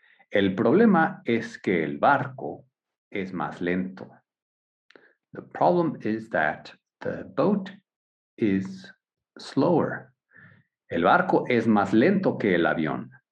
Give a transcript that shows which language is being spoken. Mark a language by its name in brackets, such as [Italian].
[Spanish] El problema es que el barco es más lento. [English] The problem is that the boat is slower. [Spanish] El barco es más lento que el avión.